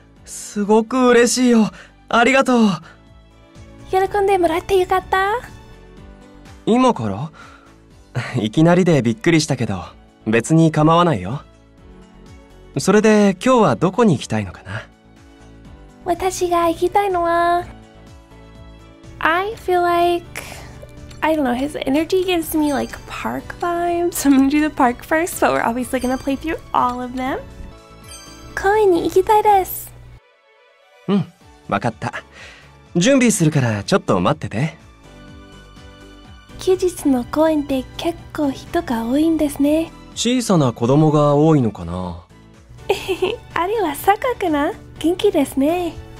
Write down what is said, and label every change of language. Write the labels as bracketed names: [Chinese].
[Japanese] すごく嬉しいよ。ありがとう。喜んでもらってよかった。今から？いきなりでびっくりしたけど、別に構わないよ。それで今日はどこに行きたいのかな。私が行きたいのは、 [English] I feel like、I don't know, his energy gives me like park vibes. I'm gonna do the park first, but we're obviously gonna play through all of them. [Japanese] 公園に行きたいです。うん、わかった。準備するからちょっと待ってて。休日の公園って結構人が多いんですね。小さな子供が多いのかな。あれはサカかな。元気ですね。